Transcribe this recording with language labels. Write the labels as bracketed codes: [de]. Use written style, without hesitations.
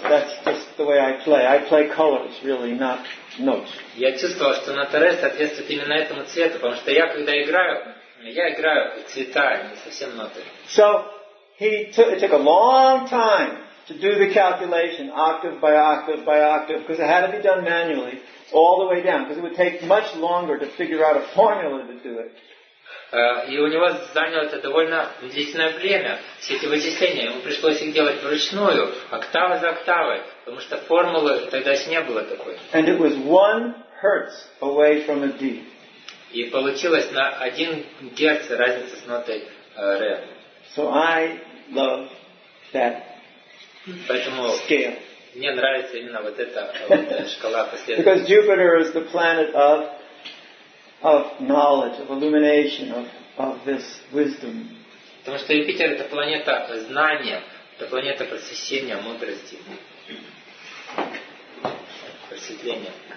[en] That's just the way I play. I play colors, really, not notes. [ru] Я чувствовал, что нота Ре соответствует именно этому цвету, потому что я, когда играю, я играю цвета, не совсем ноты. [en] So he it took a long time to do the calculation, octave by octave by octave, because it had to be done manually all the way down, because it would take much longer to figure out a formula to do it. [ru] И у него заняло это довольно длительное время, все эти вычисления. Ему пришлось их делать вручную, октава за октавой, потому что формулы тогда еще не было такой. [en] And it was 1 hertz away from a D. [ru] И получилось на 1 герц разница с нотой Ре. [en] So I love that [ru] Поэтому [en] scale. [ru] Мне нравится именно вот эта шкала последовательности. [en] Because Jupiter is the planet of knowledge, of illumination, of this wisdom. [ru] Потому что Юпитер — это планета знания, это планета просвещения, мудрости, просветления.